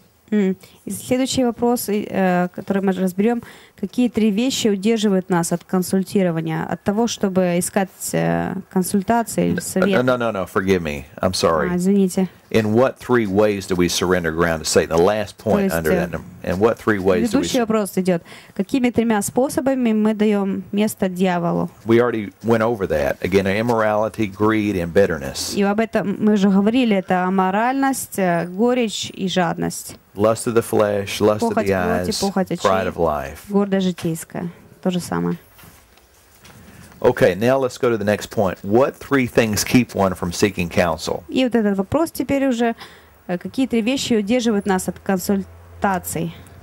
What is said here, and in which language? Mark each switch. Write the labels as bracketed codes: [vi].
[ru] И следующий вопрос, который мы разберем, какие три вещи удерживают нас от консультирования, от того, чтобы искать консультации или совет? [en] No, forgive me, I'm sorry. [ru] Извините. [en] In what three ways do we surrender ground to Satan? The last point under that number. In what three ways do we... [ru] Следующий вопрос идет. Какими тремя способами мы даем место дьяволу? [en] We already went over that. Again, immorality, greed, and bitterness. [ru] И об этом мы уже говорили. Это аморальность, горечь и жадность. [en] Lust of the flesh, lust of the eyes, pride of life. [ru] Гордость житейская, то же самое. [en] Okay, now let's go to the next point. What three things keep one from seeking counsel? [ru] И вот этот вопрос теперь уже, какие три вещи удерживают нас от консультаций?